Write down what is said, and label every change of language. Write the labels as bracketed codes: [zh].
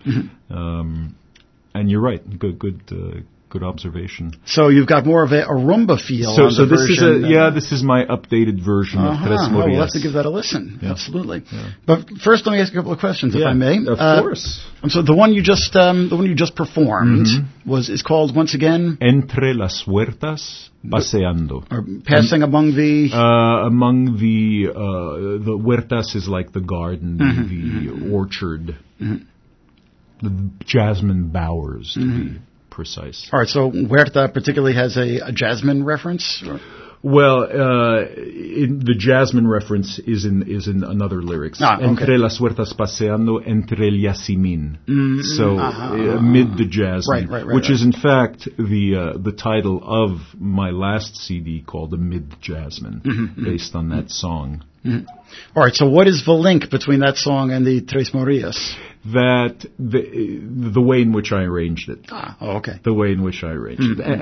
[en] Mm-hmm. And you're right. Good observation. So you've got more of a rumba feel. This is my updated version of Tres Morias. We'll have to give that a listen. Yeah. Absolutely. Yeah. But first, let me ask you a couple of questions, if I may. Of course. And so the one you just performed mm-hmm. is called once again [es] Entre las Huertas Paseando. [en] Or passing among the the huertas is like the garden, mm-hmm. the mm-hmm. orchard, mm-hmm. the jasmine bowers to mm-hmm. be. Precise. All right, so Huerta particularly has a jasmine reference? Well, the jasmine reference is in another lyrics. [es] Entre las huertas paseando, entre el yacimín. [en] So, amid the jasmine, which is in fact the title of my last CD called Amid the Jasmine, mm-hmm, based on that song. Mm-hmm. All right, so what is the link between that song and the Tres Morias? The way in which I arranged it. The way in which I arranged mm-hmm. it.